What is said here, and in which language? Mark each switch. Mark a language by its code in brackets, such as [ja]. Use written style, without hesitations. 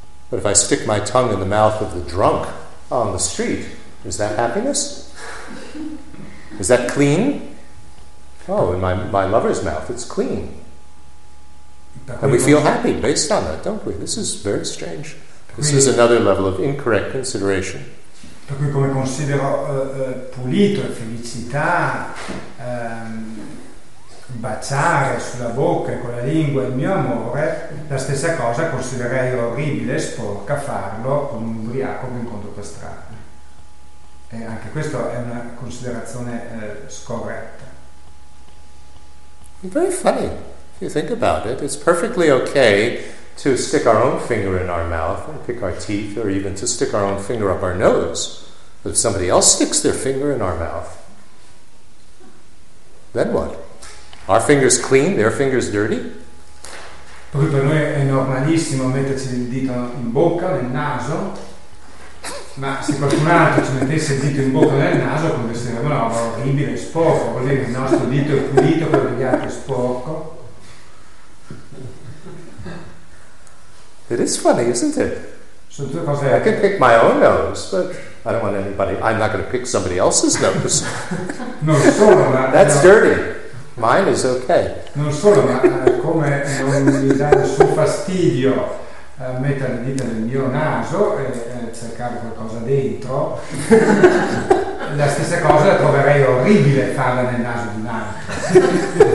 [en] But if I stick my tongue in the mouth of the drunk on the street, is that happiness? Is that clean? Oh, in my lover's mouth, it's clean. And we feel happy based on that, don't we? This is very strange. This is another level of incorrect consideration. [it] Per cui come considero pulito e felicità, baciare sulla bocca e con la lingua il mio amore, la stessa cosa considererei orribile e sporca farlo con un ubriaco che incontro per strada. E anche questa è una considerazione scorretta. [en] Very funny, if you think about it. It's perfectly okay to stick our own finger in our mouth and pick our teeth, or even to stick our own finger up our nose. But if somebody else sticks their finger in our mouth, then what? Our finger's clean, their finger's dirty? [it] Per noi è normalissimo metterci il dito in bocca, nel naso, ma se qualcun altro ci mettesse il dito in bocca, nel naso, considerava una roba orribile, sporco, vuol dire che il nostro dito è pulito, quello degli altri è sporco. [en] It is funny, isn't it? [it] Sono due cose. [en] I can pick my own nose, but I don't want anybody. I'm not going to pick somebody else's nose. [it] Non solo, ma [en] that's dirty. Mine is okay. [it] Non solo, ma come non mi dà nessun fastidio mettere le dita nel mio naso e cercare qualcosa dentro. La stessa cosa troverei orribile farla nel naso di un altro.